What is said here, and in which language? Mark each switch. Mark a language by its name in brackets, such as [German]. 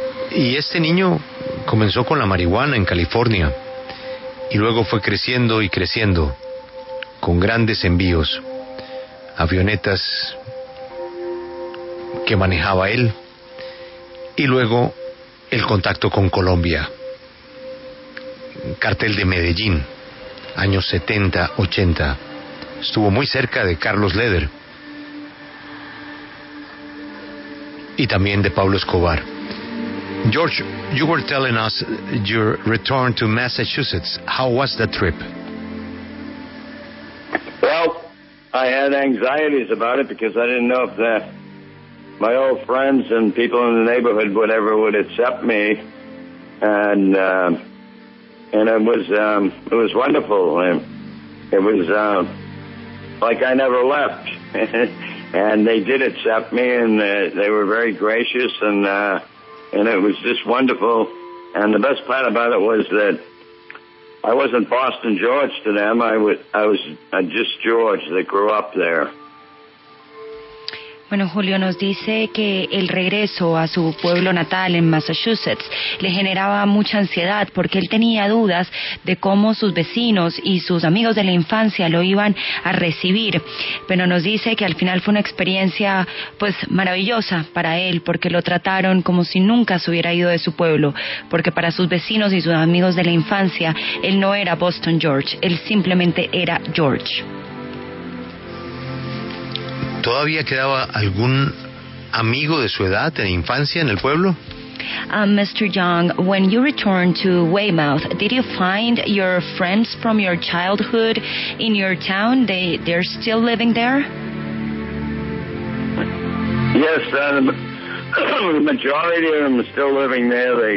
[Spanish] Y este niño comenzó con la marihuana en California y luego fue creciendo y creciendo con grandes envíos, avionetas que manejaba él y luego el contacto con Colombia. Cartel de Medellín, años 70-80. Estuvo muy cerca de Carlos Leder y también de Pablo Escobar. [English] George, you were telling us your return to Massachusetts. How was the trip? Well, I had anxieties about it because I didn't know if my old friends and people in the neighborhood would ever would accept me. And it was wonderful. It was like I never left. And they did accept me, and they were very gracious, and it was just wonderful. And the best part about it was that I wasn't Boston George to them. I was just George that grew up there. [Spanish] Bueno, Julio nos dice que el regreso a su pueblo natal en Massachusetts le generaba mucha ansiedad porque él tenía dudas de cómo sus vecinos y sus amigos de la infancia lo iban a recibir. Pero nos dice que al final fue una experiencia pues maravillosa para él porque lo trataron como si nunca se hubiera ido de su pueblo, porque para sus vecinos y sus amigos de la infancia él no era Boston George, él simplemente era George. ¿Todavía quedaba algún amigo de su edad en la infancia en el pueblo? [English] Mr. Jung, when you returned to Weymouth, did you find your friends from your childhood in your town? They're still living there? Yes, the majority of them are still living there.